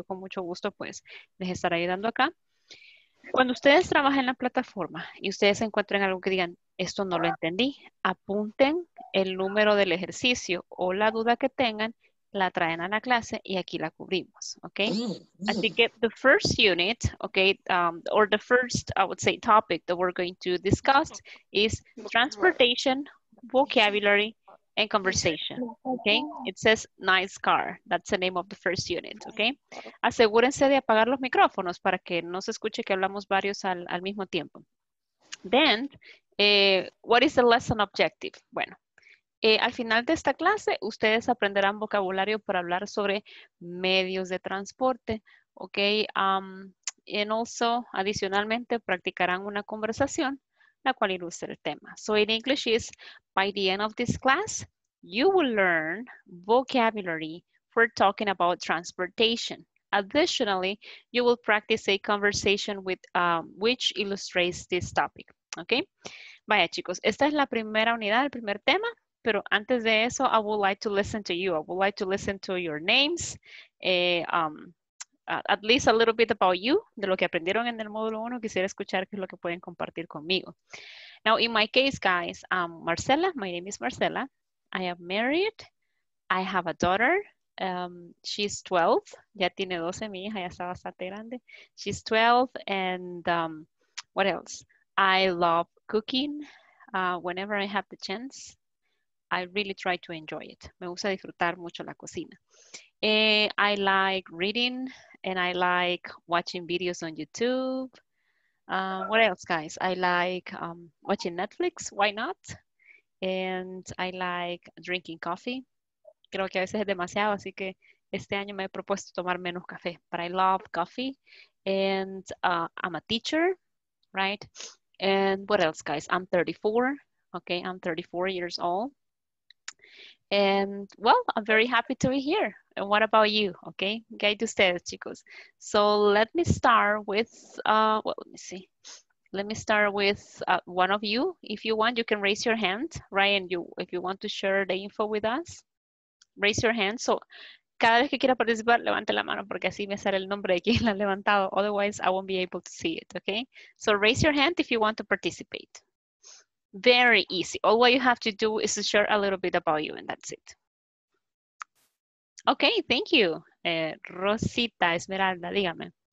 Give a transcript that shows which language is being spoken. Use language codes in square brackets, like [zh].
[es] Yo con mucho gusto pues les estaré ayudando acá. Cuando ustedes trabajan en la plataforma y ustedes encuentren algo que digan, esto no lo entendí, apunten el número del ejercicio o la duda que tengan, la traen a la clase y aquí la cubrimos, ¿ok? Así que [en] the first unit, ¿ok? Or the first, I would say, topic that we're going to discuss is transportation, vocabulary, and conversation, ¿ok? It says nice car. That's the name of the first unit, ¿ok? [es] Asegúrense de apagar los micrófonos para que no se escuche que hablamos varios al mismo tiempo. [en] Then, what is the lesson objective? [es] Bueno, al final de esta clase, ustedes aprenderán vocabulario para hablar sobre medios de transporte, ¿ok? [en] And also, [es] adicionalmente, practicarán una conversación la cual ilustra el tema. [en] So in English is, by the end of this class, You will learn vocabulary for talking about transportation. Additionally, you will practice a conversation with which illustrates this topic. Okay? [es] Vaya, chicos, esta es la primera unidad, el primer tema. Pero antes de eso, [en] I would like to listen to you. I would like to listen to your names, at least a little bit about you, [es] de lo que aprendieron en el módulo 1. Quisiera escuchar qué es lo que pueden compartir conmigo. [en] Now, in my case, guys, I'm Marcela. My name is Marcela. I am married. I have a daughter. She's 12. [es] Ya tiene 12, mi hija. Ya está bastante grande. [en] She's 12. And what else? I love cooking whenever I have the chance. I really try to enjoy it. [es] Me gusta disfrutar mucho la cocina. [en] I like reading and I like watching videos on YouTube. What else, guys? I like watching Netflix, why not? And I like drinking coffee. [es] Creo que a veces es demasiado, así que este año me he propuesto tomar menos café. [en] But I love coffee and I'm a teacher, right? And what else, guys? I'm 34, okay? I'm 34 years old. And well, I'm very happy to be here. And what about you? Okay, [es] ¿qué hay de ustedes, chicos? [en] So let me start with, well, let me see. Let me start with one of you. If you want, you can raise your hand, right? And you, if you want to share the info with us, raise your hand. [es] So cada vez que quiera participar, levante la mano porque así me sale el nombre de quien la ha levantado. [en] Otherwise, I won't be able to see it, okay? So raise your hand if you want to participate. Very easy. All what you have to do is to share a little bit about you and that's it. Okay, thank you. Rosita Esmeralda, [es] dígame.